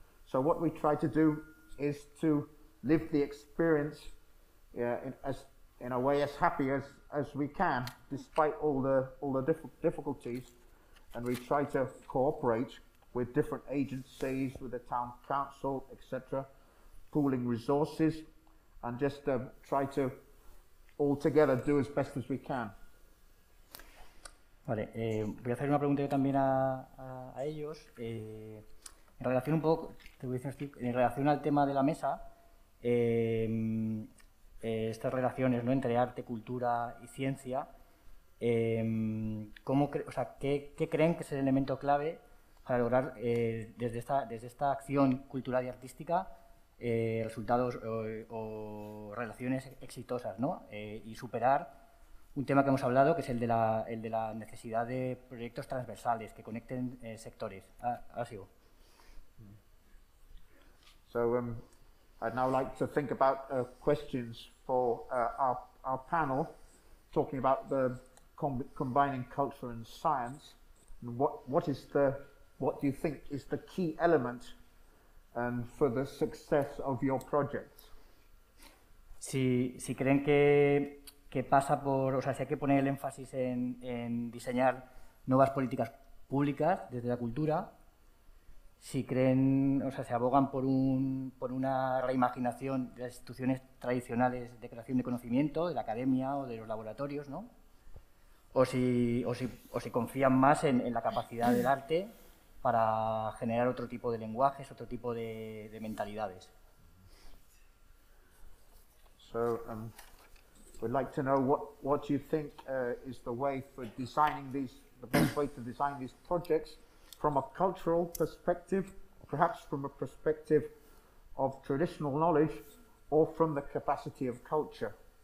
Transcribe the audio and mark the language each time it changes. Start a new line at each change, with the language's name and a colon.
English: So what we try to do is to live the experience in a way as happy as we can, despite all the difficulties. And we try to cooperate with different agencies, with the town council, etc., pooling resources, and just try to all together do as best as we can.
Spanish: Vale, voy a hacer una pregunta yo también a ellos. En relación un poco, te voy a decir, Steve, en relación al tema de la mesa, estas relaciones, ¿no?, entre arte, cultura y ciencia, ¿qué creen que es el elemento clave para lograr desde esta acción cultural y artística resultados o relaciones exitosas, ¿no?, y superar un tema que hemos hablado, que es el de la necesidad de proyectos transversales que conecten sectores? Ahora sigo.
English: So I'd now like to think about questions for our panel, talking about the combining culture and science, and what do you think is the key element and for the success of your project.
Spanish: Si creen que pasa por, o sea, si hay que poner el énfasis en diseñar nuevas políticas públicas desde la cultura, si creen, o sea, se abogan por una reimaginación de las instituciones tradicionales de creación de conocimiento, de la academia o de los laboratorios, ¿no? O si confían más en la capacidad del arte para generar otro tipo de lenguajes, otro tipo de mentalidades.
English: So, we'd like to know what you think is the way for designing the best way to design these projects from a cultural perspective, perhaps from a perspective of traditional knowledge, or from the capacity of culture.